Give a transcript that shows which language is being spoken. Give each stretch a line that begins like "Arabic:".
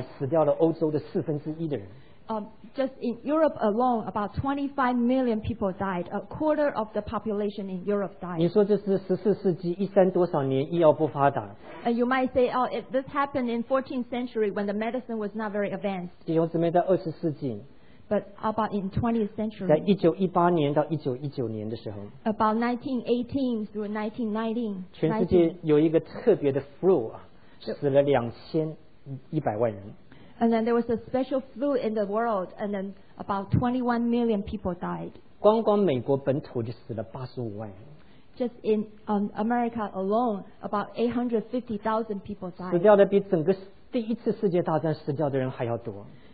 Chinese: 光光欧洲就死了2500万，死掉了欧洲的1/4的人。
English: Just in Europe alone, about 25 million people died. A quarter of the population in Europe died.
Chinese: 你说这是14世纪13多少年医药不发达？
English: And you might say, oh, this happened in 14th century when the medicine was not very advanced.
Chinese: 弟兄姊妹，在20世纪。
English: But about in 20th century.
Chinese: 在1918年到1919年的时候。
English: About 1918 through 1919.
Chinese: 全世界有一个特别的 flu，死了2100万人。
English: And then there was a special flu in the world, and then about 21 million people died.
Chinese: 光光美国本土就死了85万人。
English: Just in America alone, about 850,000 people died.
Chinese: 死掉的比整个第一次世界大战死掉的人还要多。